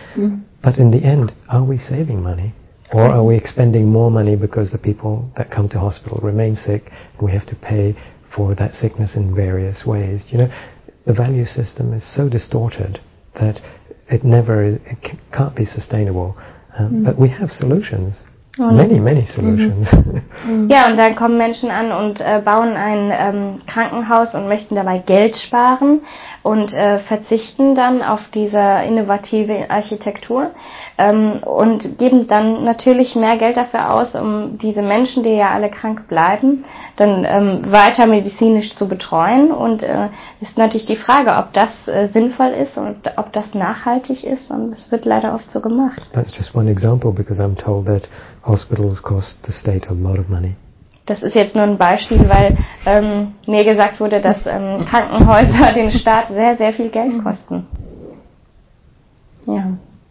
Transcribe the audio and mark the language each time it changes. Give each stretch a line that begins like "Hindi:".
English: But in the end, are we saving money? Or are we expending more money because the people that come to hospital remain sick and we have to pay for that sickness in various ways? You know, the value system is so distorted that it can't be sustainable. But we have solutions. Many solutions.
German: Ja, und dann kommen Menschen an und bauen ein Krankenhaus und möchten dabei Geld sparen und verzichten dann auf diese innovative Architektur und geben dann natürlich mehr Geld dafür aus, um diese Menschen, die ja alle krank bleiben, dann weiter medizinisch zu betreuen. Und ist natürlich die Frage, ob das sinnvoll ist und ob das nachhaltig ist. Und es wird leider oft so gemacht.
English: That's just one example, because I'm told that hospitals cost the state a lot of money.
German: Das ist jetzt nur ein Beispiel, weil mir gesagt wurde, dass Krankenhäuser den Staat sehr, sehr viel Geld kosten. Ja.